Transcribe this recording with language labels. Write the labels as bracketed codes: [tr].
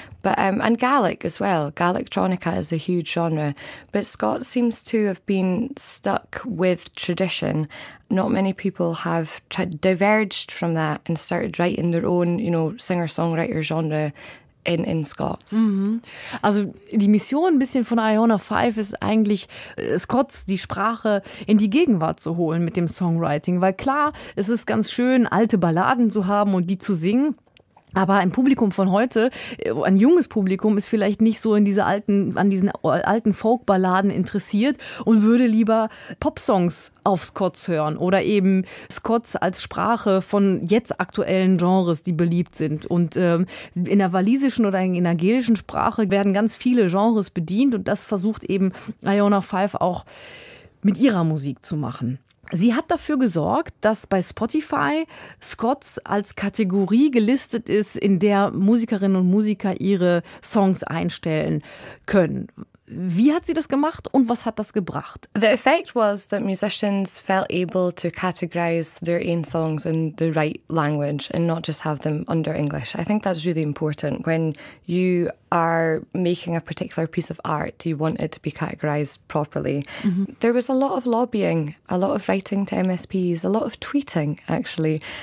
[en] But and Gaelic as well. Gaelictronica is a huge genre. But Scots seems to have been stuck with tradition. Not many people have diverged from that and started writing their own, you know, singer-songwriter genre in Scots. Mm-hmm. [de] Also die Mission ein bisschen von Iona Fyfe ist eigentlich, Scots, die Sprache in die Gegenwart zu holen mit dem Songwriting. Weil klar, es ist ganz schön, alte Balladen zu haben und die zu singen. Aber ein Publikum von heute, ein junges Publikum, ist vielleicht nicht so in diese alten, an diesen alten Folkballaden interessiert und würde lieber Popsongs auf Scots hören oder eben Scots als Sprache von jetzt aktuellen Genres, die beliebt sind. Und in der walisischen oder in der gälischen Sprache werden ganz viele Genres bedient und das versucht eben Iona Fyfe auch mit ihrer Musik zu machen. Sie hat dafür gesorgt, dass bei Spotify Scots als Kategorie gelistet ist, in der Musikerinnen und Musiker ihre Songs einstellen können. Wie hat sie das gemacht und was hat das gebracht? [en] The effect was that musicians felt able to categorize their own songs in the right language and not just have them under English. I think that's really important. When you are making a particular piece of art, you want it to be categorized properly. Mm-hmm. There was a lot of lobbying, a lot of writing to MSPs, a lot of tweeting, actually.